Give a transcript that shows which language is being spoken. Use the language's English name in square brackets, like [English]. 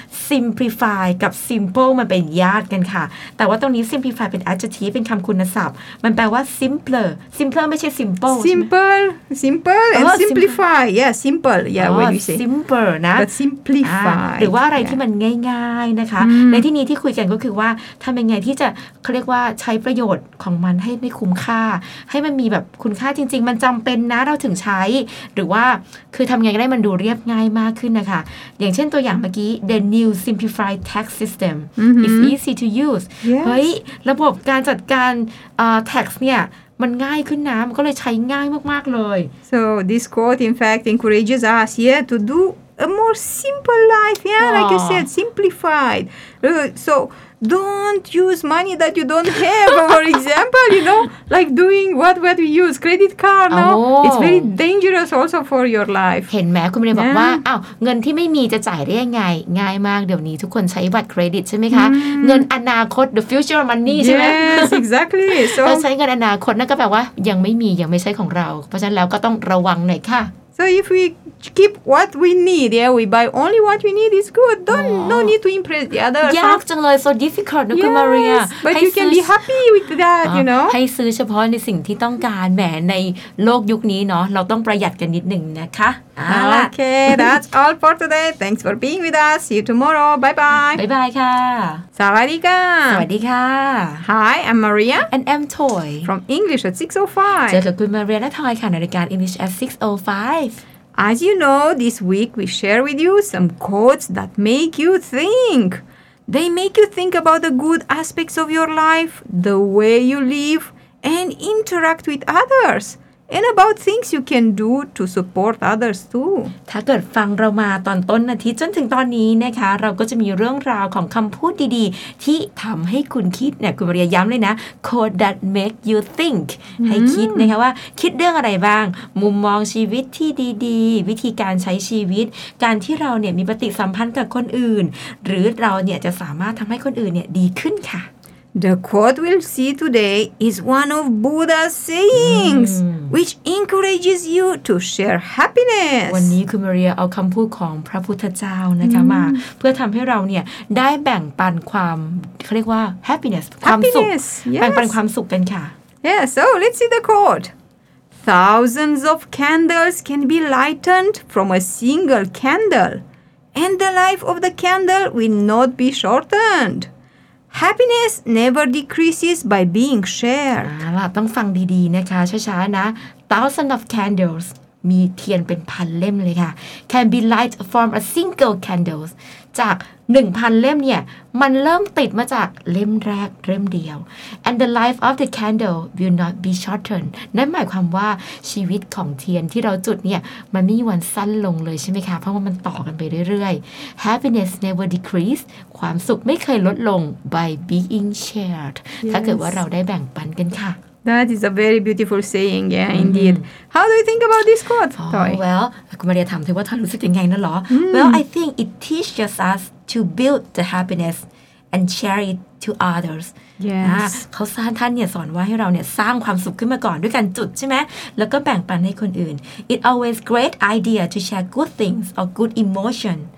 [Thai] Simplify กับ simple มันเป็นญาติกันค่ะแต่ว่าตรงนี้ simplify เป็น adjective เป็นคำคุณศัพท์มันแปลว่า simpler ไม่ใช่ simple [English] and simplify yeah simple yeah when you say simple นะ but simplify [Thai] หรือว่าอะไรที่มันง่ายๆนะคะในที่นี้ที่คุยกันก็คือว่าทำยังไงที่จะ เขาเรียกว่าใช้ประโยชน์ของมันให้ได้คุ้มค่าให้มันมีแบบคุณค่าจริงๆมันจำเป็นนะเราถึงใช้หรือว่าคือทำไงก็ได้มันดูเรียบง่ายมากขึ้นนะคะอย่างเช่นตัวอย่างเมื่อกี้ [English] the new simplified tax system is easy to use [Thai] เฮ้ยระบบการจัดการtax เนี่ยมันง่ายขึ้นนะมันก็เลยใช้ง่ายมากๆเลย [English] so this quote in fact encourages us yeah to do a more simple life yeah Aww. Like you said simplified so don't use money that you don't have for example you know like doing what we use credit card no it's very dangerous also for your life [Thai] เห็นไหมคุณเรียนบอกว่าอ้าวเงินที่ไม่มีจะจ่ายได้ยังไงง่ายมากเดี๋ยวนี้ทุกคนใช้บัตรเครดิตใช่ไหมคะเงินอนาคต [English] the future money [Thai] ใช่ไหม [English] yes exactly [Thai] so ใช้เงินอนาคตนั่นก็แปลว่ายังไม่มียังไม่ใช่ของเราเพราะฉะนั้นแล้วก็ต้องระวังหน่อยค่ะ [English] So if we keep what we need, yeah, we buy only what we need, it's good. Don't, oh. no need to impress the others. [Thai] ยากจังเลย [English] so difficult [Thai] นะคุณมาเรีย [English] But you can be happy with that, you know. [Thai] ให้ซื้อเฉพาะในสิ่งที่ต้องการแหมในโลกยุคนี้เนาะเราต้องประหยัดกันนิดหนึ่งนะคะ [English] Okay, that's all for today. Thanks for being with us. See you tomorrow. Bye-bye. Bye-bye, ค่ะ [Thai] สวัสดีค่ะ สวัสดีค่ะ [English] Hi, I'm Maria. And I'm Toy. From English at 6:05. [Thai] เจอกับคุณมาเรียและทอยค่ะในรายการ English at 6:05. [English] As you know, this week we share with you some quotes that make you think. They make you think about the good aspects of your life, the way you live, and interact with others. And about things you can do to support others too. [Thai] ถ้าเกิดฟังเรามาตอนต้นอาทิตย์จนถึงตอนนี้นะคะเราก็จะมีเรื่องราวของคำพูดดีๆที่ทำให้คุณคิดเนี่ยคุณมาเรียย้ำเลยนะ [English] Code that make you think [Thai] ให้คิดนะคะว่าคิดเรื่องอะไรบ้างมุมมองชีวิตที่ดีๆวิธีการใช้ชีวิตการที่เราเนี่ยมีปฏิสัมพันธ์กับคนอื่นหรือเราเนี่ยจะสามารถทำให้คนอื่นเนี่ยดีขึ้นค่ะ [English] The quote we'll see today is one of Buddha's sayings, which encourages you to share happiness. [Thai] วันนี้คุณมาเรียเอาคำพูดของพระพุทธเจ้านะคะมาเพื่อทำให้เราเนี่ยได้แบ่งปันความเขาเรียกว่า happiness, ความสุข [English] yes. [Thai] แบ่งปันความสุขกันค่ะ [English] Yeah, so let's see the quote. Thousands of candles can be lightened from a single candle, and the life of the candle will not be shortened. Happiness never decreases by being shared. [Thai] ล่ะต้องฟังดีๆนะคะช้าๆนะ [English] Thousands of candles [Thai] มีเทียนเป็นพันเล่มเลยค่ะ [English] Can be light from a single candles [Thai] จาก 1,000 เล่มเนี่ยมันเริ่มติดมาจากเล่มแรกเล่มเดียว [English] And the life of the candle will not be shortened [Thai] นั่นหมายความว่าชีวิตของเทียนที่เราจุดเนี่ยมันไม่มีวันสั้นลงเลยใช่ไหมคะเพราะว่ามันต่อกันไปเรื่อยๆ [English] Happiness never decreases [Thai] ความสุขไม่เคยลดลง [English] by being shared yes. [Thai] ถ้าเกิดว่าเราได้แบ่งปันกันค่ะ [English] That is a very beautiful saying, yeah, indeed. How do you think about this quote, Toy? Oh, well, [Thai] คุณมาเรียถามถึงว่าท่านรู้สึกยังไงนะเหรอ [English] Well, I think it teaches us to build the happiness and share it to others. Yes. [Thai] เขาสอนท่านเนี่ยสอนว่าให้เราเนี่ยสร้างความสุขขึ้นมาก่อนด้วยการจุดใช่ไหมแล้วก็แบ่งปันให้คนอื่น [English] It's always great idea to share good things or good emotion